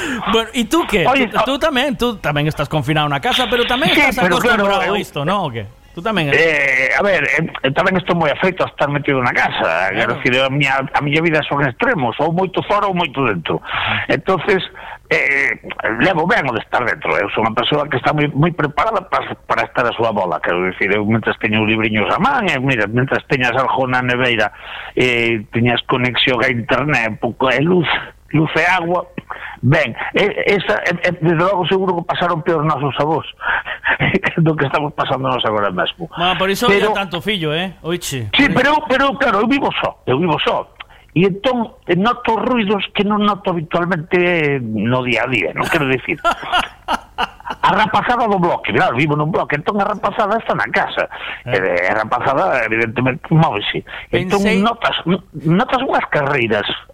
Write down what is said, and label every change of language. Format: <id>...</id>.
<es>Bueno, ¿y tú qué? Oye, tú también estás confinado en una casa, pero también sí, estás acostumbrado a esto, ¿no? ¿O qué? Tú también. También estoy muy afecto a estar metido en una casa. Claro. Quiero decir, a mi vida son extremos, o muy fuera o muy dentro.</es> <gl>Entonces, levo ben o de estar dentro. Eu sou unha persoa que está moi preparada para estar a súa bola. Quero dicir, eu mentras teño un libriño a man, mira, mentras teñas algo na neveira, teñas conexión a internet, un pouco de luz e agua, ben, desde logo seguro que pasaron peor nosos avós do que estamos pasando nos agora mesmo. Bueno, por iso había tanto fillo, eh? Oiche. Sí, pero claro, eu vivo só. E entón noto ruidos que non noto habitualmente no día a día, non quero dicir. A rapazada do bloque, claro, vivo nun bloque, entón a rapazada está na casa. A rapazada, evidentemente, móvese. Entón notas unhas carreiras.</gl>